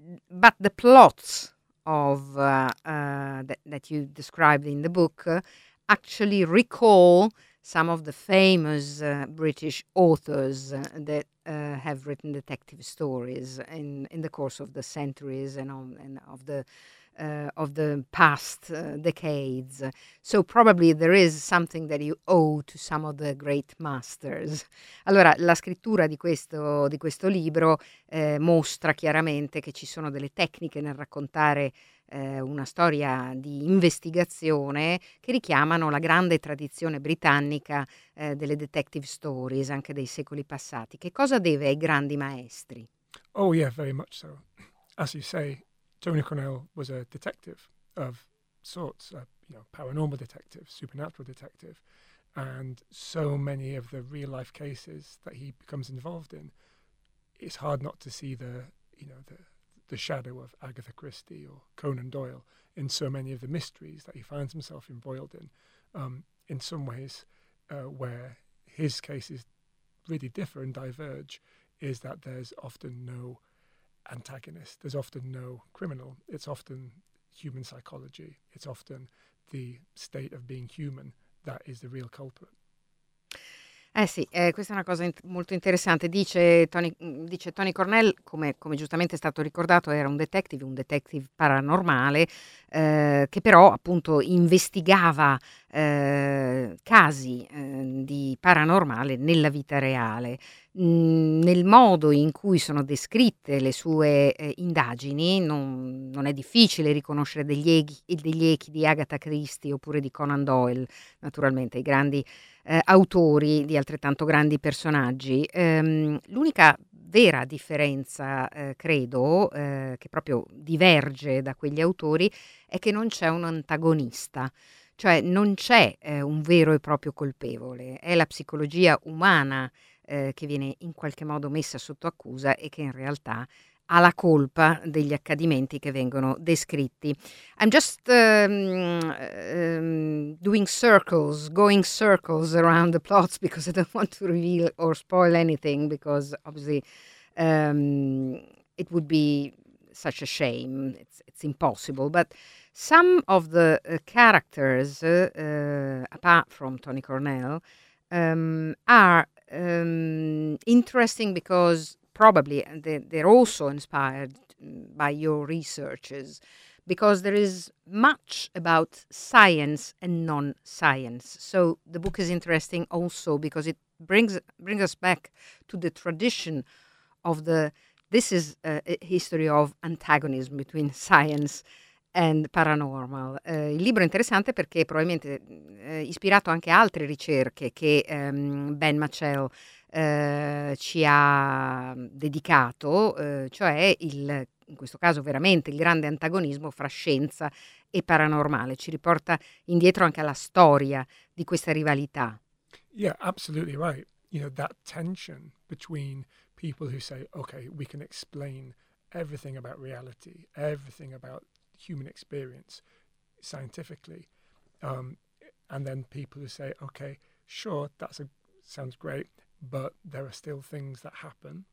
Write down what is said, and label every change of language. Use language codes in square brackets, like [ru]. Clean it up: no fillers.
[en] But the plots of that you described in the book actually recall some of the famous British authors that have written detective stories in the course of the centuries and of the past decades. So probably there is something that you owe to some of the great masters. [it] Allora, la scrittura di questo libro mostra chiaramente che ci sono delle tecniche nel raccontare una storia di investigazione che richiamano la grande tradizione britannica delle detective stories anche dei secoli passati. Che cosa deve ai grandi maestri? [en] Oh yeah, very much so. As you say, Tony Cornell was a detective of sorts, paranormal detective, supernatural detective, and so many of the real life cases that he becomes involved in, it's hard not to see the shadow of Agatha Christie or Conan Doyle in so many of the mysteries that he finds himself embroiled in. In some ways, where his cases really differ and diverge is that there's often no antagonist, there's often no criminal. It's often human psychology. It's often the state of being human that is the real culprit. [it] Questa è una cosa molto interessante. Dice Tony Cornell, come giustamente è stato ricordato, era un detective paranormale, che però appunto investigava casi di paranormale nella vita reale. Nel modo in cui sono descritte le sue indagini, non è difficile riconoscere degli echi di Agatha Christie oppure di Conan Doyle, naturalmente i grandi autori di altrettanto grandi personaggi. L'unica vera differenza, credo, che proprio diverge da quegli autori, è che non c'è un antagonista. Cioè non c'è un vero e proprio colpevole, è la psicologia umana che viene in qualche modo messa sotto accusa e che in realtà ha la colpa degli accadimenti che vengono descritti. [en] I'm just going circles around the plots because I don't want to reveal or spoil anything because obviously it would be such a shame, it's impossible, but some of the characters, apart from Tony Cornell, are interesting because probably they're also inspired by your researches, because there is much about science and non-science. So the book is interesting also because it brings us back to the tradition of this is a history of antagonism between science and paranormal. [it] Il libro è interessante perché probabilmente ispirato anche a altre ricerche che Ben Machel ci ha dedicato, cioè in questo caso veramente il grande antagonismo fra scienza e paranormale. Ci riporta indietro anche alla storia di questa rivalità. [en] Yeah, absolutely right. You know, that tension between people who say, okay, we can explain everything about reality, everything about human experience scientifically. And then people who say, okay, sure, sounds great, but there are still things that happen.